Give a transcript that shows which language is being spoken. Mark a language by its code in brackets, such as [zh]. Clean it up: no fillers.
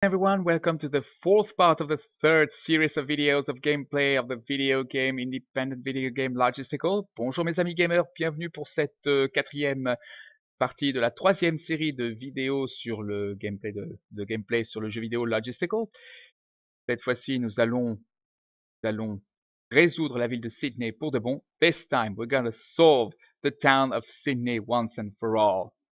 [en] Everyone, welcome to the fourth part of the third series of videos of gameplay of the video game, independent video game Logistical. [fr] Bonjour mes amis gamers, bienvenue pour cette quatrième partie de la troisième série de vidéos sur le gameplay sur le jeu vidéo Logistical. Cette fois-ci, nous allons résoudre la ville de Sydney pour de bon. [en] This time, we're gonna solve the town of Sydney once and for all.